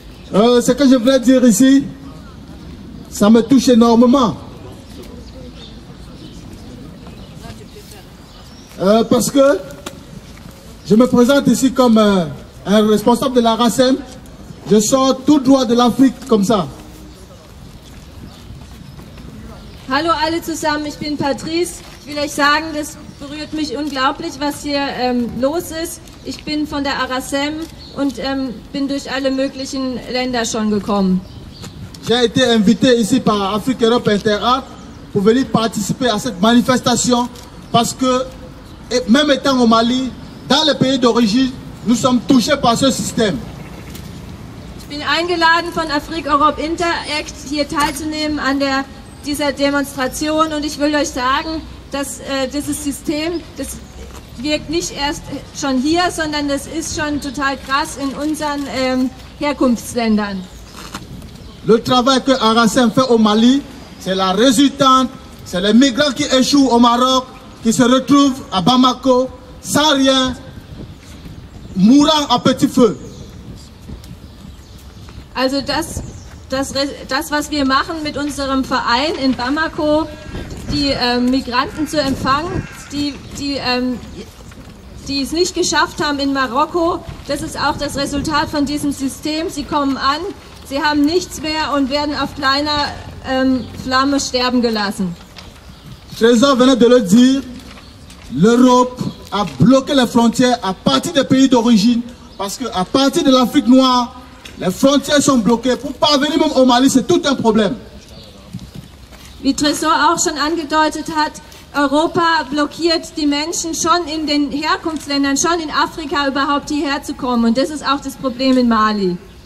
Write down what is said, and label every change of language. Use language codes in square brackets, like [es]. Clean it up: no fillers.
[fr] Ce que je voulais dire ici, ça me touche énormément. Parce que Je me présente ici comme un responsable de la RACEM. Je sors tout droit de l'Afrique comme ça. [de] Hallo alle zusammen, ich bin Patrice. Ich will euch sagen, das berührt mich unglaublich, was hier los ist. Ich bin von der RACEM und bin durch alle möglichen Länder schon gekommen. [fr] J'ai été invité ici par Afrique Europe Interart pour venir participer à cette manifestation parce que, même étant au Mali, dans les pays d'origine, nous sommes touchés par ce système. [de] Ich bin eingeladen von Afrique Europe Interact hier teilzunehmen an der dieser Demonstration und ich will euch sagen, dass dieses System, das wirkt nicht erst schon hier, sondern das ist schon total krass in unseren Herkunftsländern. [fr] Le travail que RACEM fait au Mali, c'est la résultante, c'est les migrants qui échouent au Maroc, qui se retrouvent à Bamako, sans rien, mourant à petit feu. [de] Also das, das was wir machen mit unserem Verein in Bamako, die Migranten zu empfangen, die es nicht geschafft haben in Marokko, das ist auch das Resultat von diesem System. Sie kommen an. Sie haben nichts mehr und werden auf kleiner Flamme sterben gelassen. [fr] Trésor venait de le dire, l'Europe a bloqué les frontières à partir des pays d'origine parce que à partir de l'Afrique noire, les frontières sont bloquées. Pour parvenir même au Mali, c'est tout un problème. [de] Wie Trésor auch schon angedeutet hat, Europa blockiert die Menschen schon in den Herkunftsländern, schon in Afrika überhaupt hierher zu kommen. Und das ist auch das Problem in Mali.